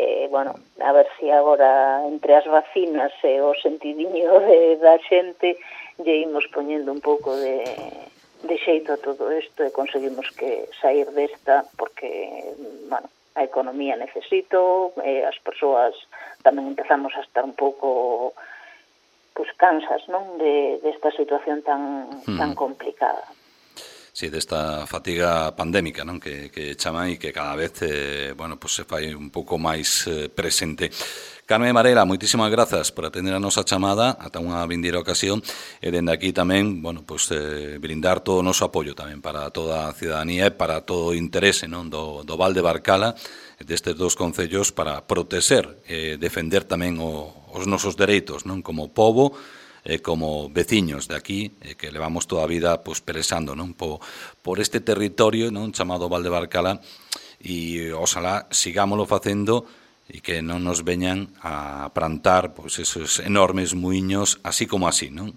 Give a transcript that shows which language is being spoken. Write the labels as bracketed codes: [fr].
[gl] Bueno, a ver si agora, entre as vacinas e o sentidiño da xente, lle imos poñendo un pouco de xeito a todo isto e conseguimos que sair desta, porque, bueno, a economía necesito, as persoas tamén empezamos a estar un pouco, pues, cansas, non, desta situación tan complicada. [es] Sí, de esta fatiga pandémica, ¿no? [gl] Que chama y que cada vez, bueno, pues se fai un poco máis presente. Carmen Varela, moitísimas grazas por atender a nosa chamada, ata unha vindeira ocasión, e dende aquí tamén, bueno, pues brindar todo o noso apoio tamén para toda a ciudadanía e para todo o interese, ¿no? do Val de Barcala, destes dos concellos, para proteser e defender tamén os nosos dereitos, ¿no? Como pobo, como veciños de aquí, que levamos toda a vida pues, presando, ¿no? por este territorio, ¿no? chamado Val de Barcala, e oxalá sigámoslo facendo e que non nos veñan a plantar pues, esos enormes muiños así como así, ¿no?